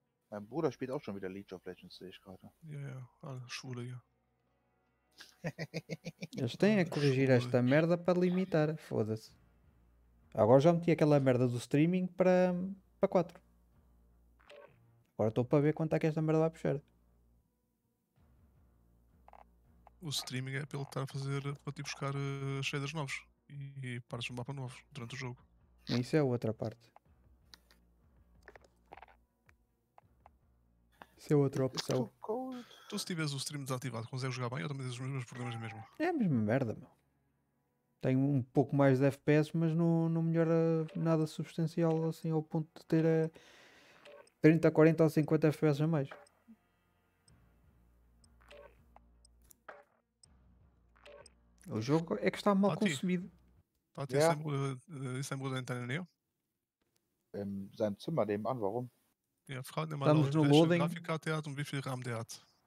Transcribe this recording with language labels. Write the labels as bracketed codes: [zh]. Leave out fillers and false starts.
[de] Mein Bruder spielt auch schon wieder League of Legends, sehe ich gerade. Ja. [pt] Eles têm a corrigir esta merda para limitar, foda-se. Agora já meti aquela merda do streaming para 4. Agora estou para ver quanto é que esta merda vai puxar. O streaming é para ele estar a fazer, para te buscar shaders novos e partes de um mapa novo durante o jogo. Isso é a outra parte. Isso é outra opção. Tu se tiveres o stream desativado, consegues jogar bem ou também tens os mesmos problemas mesmo? É a mesma merda, meu. Tenho um pouco mais de FPS, mas não melhora nada substancial assim ao ponto de ter 30, 40 ou 50 FPS a mais. O jogo é que está mal consumido. [de] Warte, ist dein Bruder in deiner Nähe? In seinem Zimmer nebenan, warum? Ja, frag ihn mal, welche loading. Grafikkarte er hat und wie viel RAM der hat.